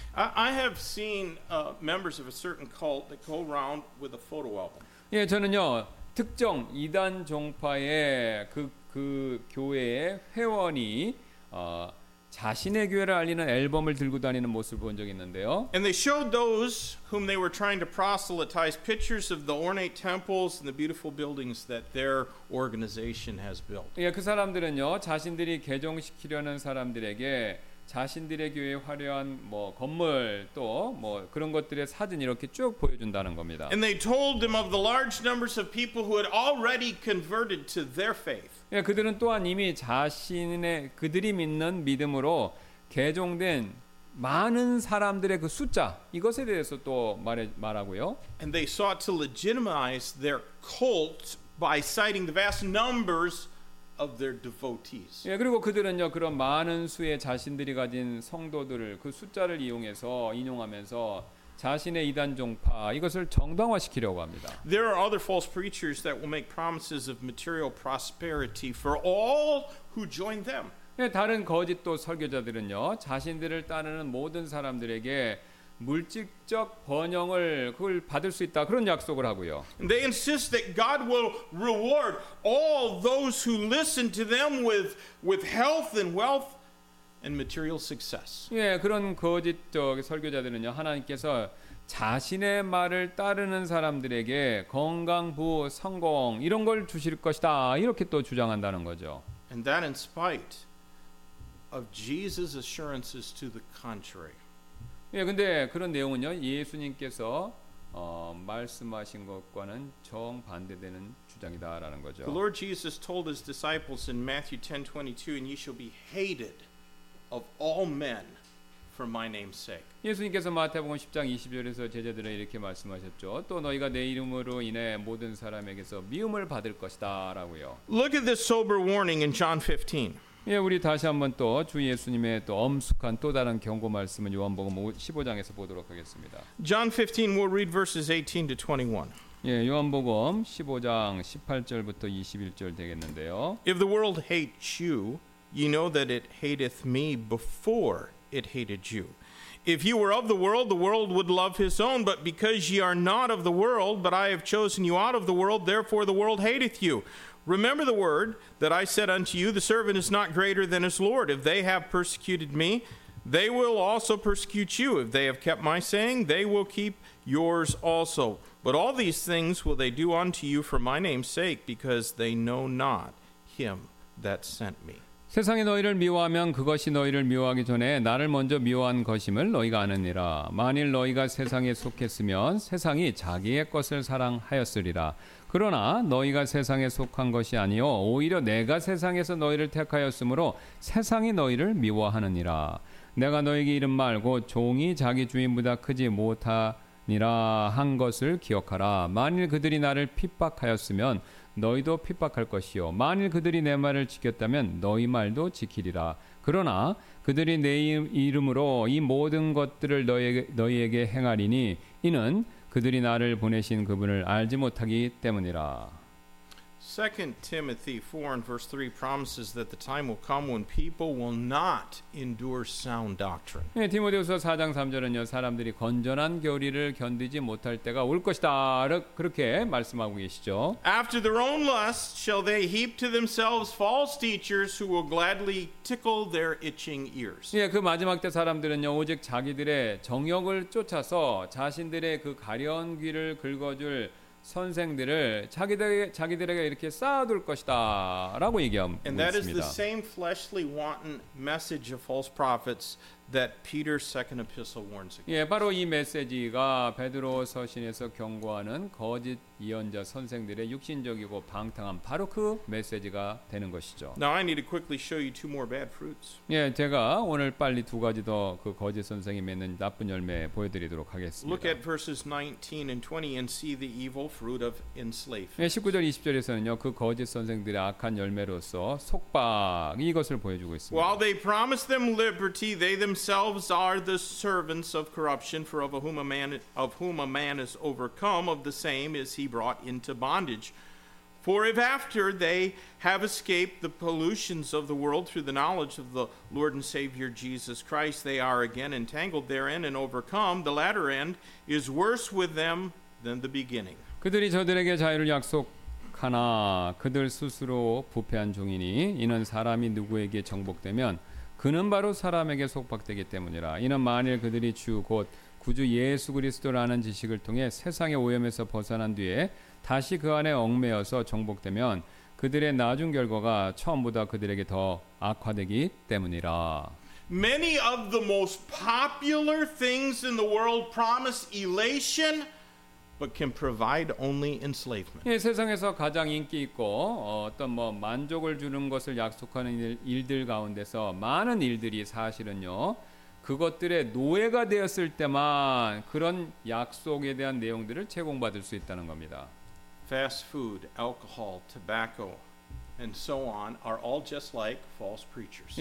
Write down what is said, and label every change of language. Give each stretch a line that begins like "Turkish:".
English: I have seen members of a certain cult that go around with a photo album.
Korean: 예, 저는요 특정 이단 종파의 그 교회의 회원이 자신의 교회를 알리는 앨범을 들고 다니는 모습을 본 적이 있는데요.
English: And they showed those whom they were trying to proselytize pictures of the ornate temples and the beautiful buildings that their organization has built.
Korean: 예, 그 사람들은요, 자신들이 개종시키려는 사람들에게 자신들의 교회의 화려한 뭐 건물 또 뭐 그런 것들의 사진 이렇게 쭉 보여준다는 겁니다.
English: And they told them of the large numbers of people who had already converted to their faith.
Korean: 예, 그들은 또한 이미 자신의 그들이 믿는 믿음으로 개종된 많은 사람들의 그 숫자 이것에 대해서 또 말하고요.
English: And they sought to legitimize their cult by citing the vast numbers of their devotees.
Korean: 예, 그리고 그들은요 그런 많은 수의 자신들이 가진 성도들을 그 숫자를 이용해서 인용하면서 자신의 이단 종파 이것을 정당화시키려고 합니다.
English: There are other false preachers that will make promises of material prosperity for all who join them.
Korean: 예, 다른 거짓 또 설교자들은요 자신들을 따르는 모든 사람들에게 물질적 번영을 그걸 받을 수 있다 그런 약속을 하고요.
English: They insist that God will reward all those who listen to them with health and wealth and material success.
Korean: 예, 그런 거짓적 설교자들은요 하나님께서 자신의 말을 따르는 사람들에게 건강, 부, 성공 이런 걸 주실 것이다 이렇게 또 주장한다는 거죠.
English: And that in spite of Jesus' assurances to the contrary.
Korean: 예, 근데 그런 내용은요 예수님께서 말씀하신 것과는 정반대되는 주장이다라는 거죠.
English: The Lord Jesus told his disciples in Matthew 10:22, "And ye shall be hated of all men for my name's sake."
Korean: 예수님께서 마태복음 10장 20절에서 제자들에게 이렇게 말씀하셨죠. 또 너희가 내 이름으로 인해 모든 사람에게서 미움을 받을 것이다라고요.
English: Look at this sober warning in John 15.
Korean: 예, 우리 다시 한번 또 주 예수님의 또 엄숙한 또 다른 경고 말씀은 요한복음 15장에서 보도록 하겠습니다.
English: John 15, we'll read verses 18 to 21.
Korean: 예, 요한복음 15장 18절부터 21절 되겠는데요.
English: If the world hates you, you know that it hateth me before it hated you. If you were of the world would love his own, but because ye are not of the world, but I have chosen you out of the world, therefore the world hateth you. Remember the word that I said unto you, the servant is not greater than his Lord. If they have persecuted me, they will also persecute you. If they have kept my saying, they will keep yours also. But all these things will they do unto you for my name's sake, because they know not him that sent me.
Korean: 세상이 너희를 미워하면 그것이 너희를 미워하기 전에 나를 먼저 미워한 것임을 너희가 아느니라. 만일 너희가 세상에 속했으면 세상이 자기의 것을 사랑하였으리라. 그러나 너희가 세상에 속한 것이 아니오 오히려 내가 세상에서 너희를 택하였으므로 세상이 너희를 미워하느니라. 내가 너희에게 이른 말고 종이 자기 주인보다 크지 못하니라 한 것을 기억하라. 만일 그들이 나를 핍박하였으면 너희도 핍박할 것이요 만일 그들이 내 말을 지켰다면 너희 말도 지키리라. 그러나 그들이 내 이름으로 이 모든 것들을 너희에게 행하리니 이는 그들이 나를 보내신 그분을 알지 못하기 때문이라.
English: 2 Timothy 4 and verse 3 promises that the time will come when people will not endure sound doctrine.
Korean: 네, 디모데후서 4장 3절은요. 사람들이 건전한 교리를 견디지 못할 때가 올 것이다. 그렇게 말씀하고 계시죠.
English: After their own lusts shall they heap to themselves false teachers who will gladly tickle their itching ears.
Korean: 네, 그 마지막 때 사람들은요. 오직 자기들의 정욕을 쫓아서 자신들의 그 가려운 귀를 긁어줄 선생들을 자기들에게 이렇게 쌓아둘 것이다라고 얘기합니다.
English: And that is the same fleshly wanton message of false prophets that Peter's second epistle warns against.
Korean: 예, 바로 이 메시지가 베드로 서신에서 경고하는 거짓 예언자 선생들의 육신적이고 방탕한 바로 그 메시지가 되는 것이죠.
English: Now I need to quickly show you two more bad fruits.
Korean: 예, 제가 오늘 빨리 두 가지 더 그 거짓 선생이 맺는 나쁜 열매 보여드리도록 하겠습니다.
English: Look at verses 19 and 20 and see the evil fruit of enslaved.
Korean: 예, 19절 20절에서는요, 그 거짓 선생들의 악한 열매로서 속박 이것을 보여주고 있습니다.
English: While they promise them liberty, they themselves are the servants of corruption. For of whom a man is overcome, of the same is he brought into bondage. For if after they have escaped the pollutions of the world through the knowledge of the Lord and Savior Jesus Christ, they are again entangled therein and overcome, the latter end is worse with them than the beginning.
Korean: 그들이 저들에게 자유를 약속하나 그들 스스로 부패한 종이니 이는 사람이 누구에게 정복되면 그는 바로 사람에게 속박되기 때문이라. 이는 만일 그들이 주 곧 구주 예수 그리스도라는 지식을 통해 세상의 오염에서 벗어난 뒤에 다시 그 안에 얽매여서 정복되면 그들의 나중 결과가 처음보다 그들에게 더 악화되기 때문이라.
English: Many of the most popular things in the world promise elation but can provide only enslavement.
Korean: 예, 세상에서 가장 인기 있고 어떤 뭐 만족을 주는 것을 약속하는 일들 가운데서 많은 일들이 사실은요. 그것들의 노예가 되었을 때만 그런 약속에 대한 내용들을 제공받을 수 있다는 겁니다.
English: Fast food, alcohol, tobacco and so on are all just like false preachers.